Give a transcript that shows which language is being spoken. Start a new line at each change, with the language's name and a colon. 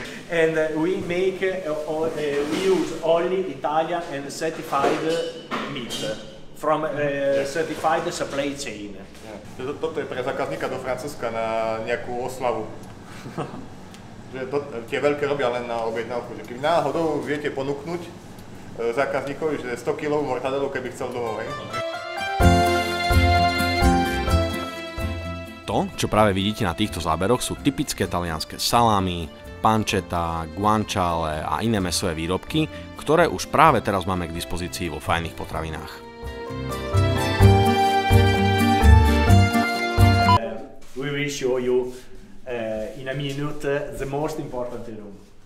English: And we make we use only Italian and certified meat from certified supply chain. Yeah.
Slovak: Toto je pre zákazníka do Francúzska na nejakú oslavu. Že tie veľké robia len na objednávku, že keby náhodou viete ponúknuť zákazníkovi, že 100 kg mortadelu, keby chcel domov. To, čo práve vidíte na týchto záberoch, sú typické talianske salámy, pancetta, guanciale a iné mäsové výrobky, ktoré už práve teraz máme k dispozícii vo fajných potravinách.
English: We will show you in a minute the most important room.